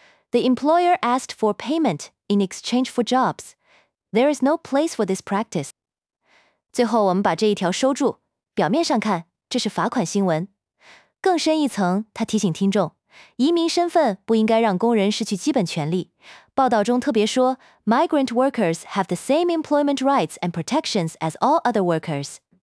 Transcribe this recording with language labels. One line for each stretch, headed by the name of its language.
English: The employer asked for payment in exchange for jobs. There is no place for this practice.
Chinese: 最后我们把这一条收住，表面上看，这是罚款新闻。更深一层，它提醒听众，移民身份不应该让工人失去基本权利。报道中特别说，
English: Migrant workers have the same employment rights and protections as all other workers.